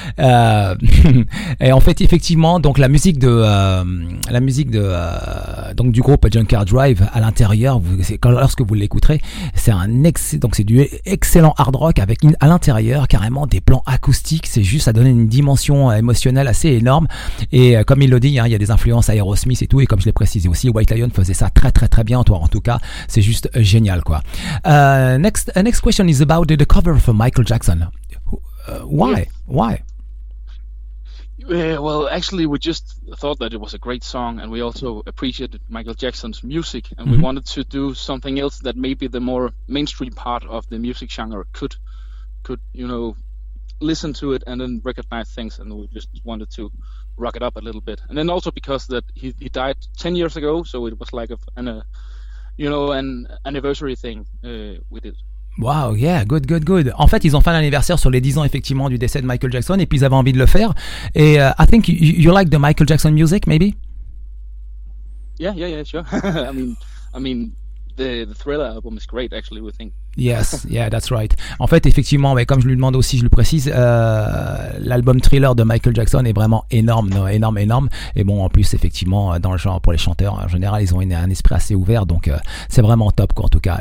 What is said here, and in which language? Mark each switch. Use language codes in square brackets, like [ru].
[fr] Et en fait, effectivement, donc la musique du groupe Junkyard Drive, à l'intérieur, lorsque vous l'écouterez, c'est du excellent hard rock avec à l'intérieur carrément des plans acoustiques. C'est juste, ça donne une dimension émotionnelle assez énorme. Et comme il le dit, il y a des influences Aerosmith et tout. Et comme je l'ai précisé aussi, White Lion faisait ça très très très bien. Toi, en tout cas, c'est juste génial quoi. [en] Next question is about the cover for Michael Jackson. Why? Yeah. Why? Well, actually, we just thought that it was a great song, and we also appreciated Michael Jackson's music, and mm-hmm. we wanted to do something else that maybe the more mainstream part of the music genre could, you know, listen to it and then recognize things, and we just wanted to rock it up a little bit. And then also because that he died 10 years ago, so it was like an anniversary thing we did. Wow, yeah, good. [fr] En fait, ils ont fait l'anniversaire sur les 10 ans effectivement du décès de Michael Jackson, et puis ils avaient envie de le faire. [en] Et I think you like the Michael Jackson music, maybe? Yeah, sure. I mean, the Thriller album is great, actually, we think. Yes, yeah, that's right. [fr] En fait, effectivement, mais comme je lui demande aussi, je le précise, l'album Thriller de Michael Jackson est vraiment énorme. Et bon, en plus, effectivement, dans le genre, pour les chanteurs, en général, ils ont un esprit assez ouvert, donc c'est vraiment top, quoi, en tout cas.